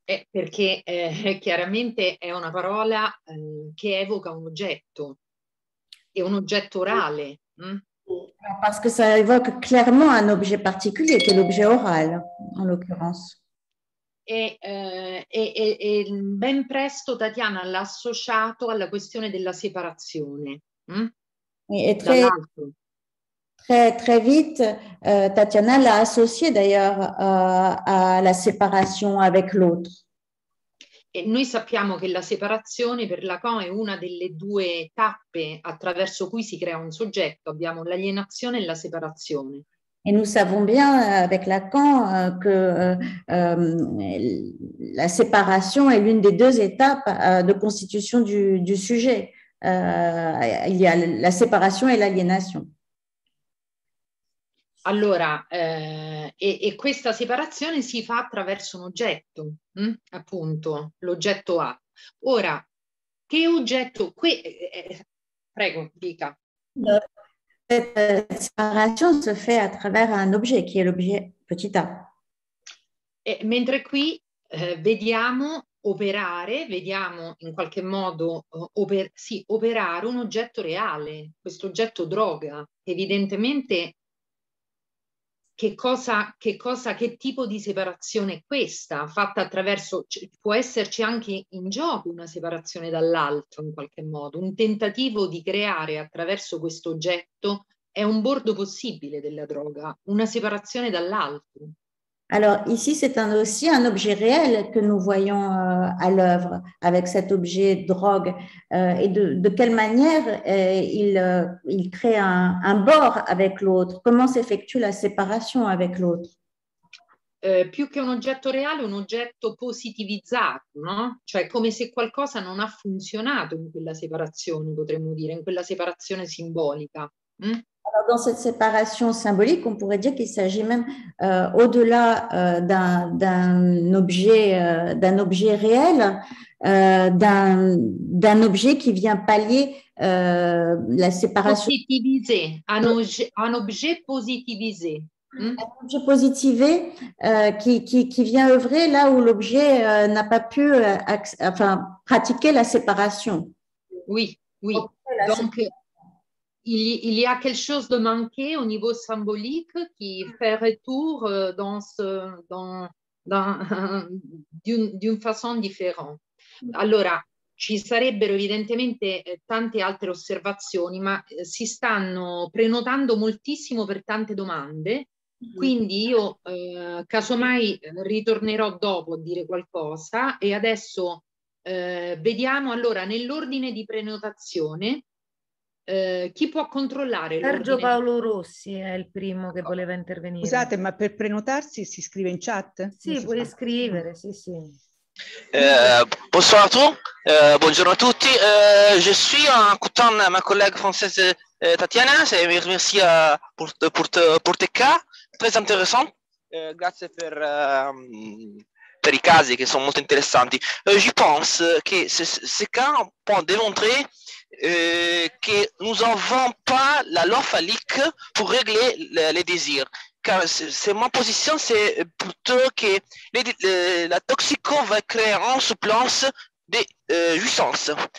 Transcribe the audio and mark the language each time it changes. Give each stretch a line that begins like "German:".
Italian: Perché chiaramente è una parola che evoca un oggetto, è un oggetto orale.
French: Parce que ça évoque clairement un objet particulier,
Italian: che è
French: l'objet orale, en l'occurrence.
Italian: E ben presto Tatiana l'ha associato alla questione della separazione.
French: Très vite Tatiana l'ha associé d'ailleurs à la séparation avec l'autre.
Italian: E noi sappiamo che la separazione per Lacan è una delle due tappe attraverso cui si crea un soggetto. Abbiamo l'alienazione e la separazione.
French: Et nous savons bien avec Lacan que la séparation est l'une des deux étapes de constitution du sujet. Il y a la séparation et l'aliénation.
Italian: Allora, e questa separazione si fa attraverso un oggetto, appunto, l'oggetto A. Ora, che oggetto... prego, dica.
French: Cette séparation se fait à travers un objet, qui est l'objet petit a.
Italian: E, mentre qui vediamo operare, vediamo in qualche modo operare un oggetto reale, questo oggetto droga, evidentemente... Che tipo di separazione è questa, fatta attraverso, può esserci anche in gioco una separazione dall'altro in qualche modo, un tentativo di creare attraverso questo oggetto, è un bordo possibile della droga, una separazione dall'altro.
French: Alors ici c'est aussi un objet réel que nous voyons à l'œuvre avec cet objet drogue et de quelle manière il crée un bord avec l'autre, comment s'effectue la séparation avec l'autre.
Italian: Più che un oggetto reale, un oggetto positivizzato, no? Cioè come se qualcosa non ha funzionato in quella separazione, potremmo dire, in quella separazione simbolica.
French: Alors dans cette séparation symbolique, on pourrait dire qu'il s'agit même au-delà d'un objet réel, d'un objet qui vient pallier la séparation. Positivisé, un objet positivisé. Un objet positivé qui vient œuvrer là où l'objet n'a pas pu pratiquer la séparation. Oui, oui. Donc, il y a quelque chose de manqué au niveau symbolique qui fait retour d'une façon différente.
Italian: Allora, ci sarebbero evidentemente tante altre osservazioni, ma si stanno prenotando moltissimo per tante domande, quindi io casomai ritornerò dopo a dire qualcosa e adesso vediamo allora nell'ordine di prenotazione. Chi può controllare? Sergio Paolo Rossi è il primo che voleva intervenire. Scusate, ma per prenotarsi si scrive in chat? Sì, puoi scrivere, sì.
French: Bonsoir à tous,
Italian: buongiorno a tutti.
French: Je suis en écoutant ma collègue française Tatiana, merci pour tes cas, très intéressant.
Italian: Grazie per i casi che sono molto interessanti.
French: Je pense que ces cas peuvent démontrer que nous n'avons pas la loi phallique pour régler les désirs. Car c'est ma position, c'est plutôt que la toxico va créer en souplance des jouissances.